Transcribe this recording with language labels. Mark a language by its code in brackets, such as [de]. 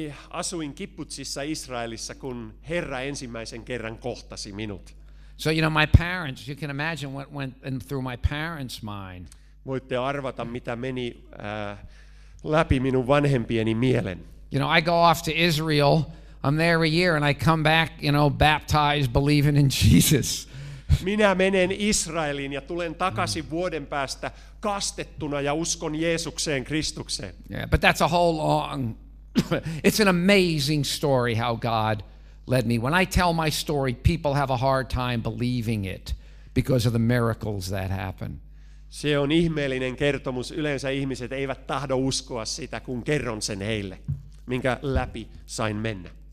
[fi] Asuin kibbutzissa Israelissa, kun Herra ensimmäisen kerran kohtasi minut. [en] So you know my parents, you can imagine what went in through my parents' mind. [fi] Voitte arvata mitä meni läpi minun vanhempieni mielen. [en] You know, I go off to Israel, I'm there a year and I come back, you know, baptized believing in Jesus. [fi] Minä menen Israeliin ja tulen takaisin vuoden päästä kastettuna ja uskon Jeesukseen Kristukseen. [en] Yeah, but that's a whole long it's an amazing story how God led me. When I tell my story, people have a hard time believing it because of the miracles that happen. [fi] Se on ihmeellinen kertomus. Yleensä ihmiset eivät tahdo uskoa sitä, kun kerron sen heille, minkä läpi sain mennä.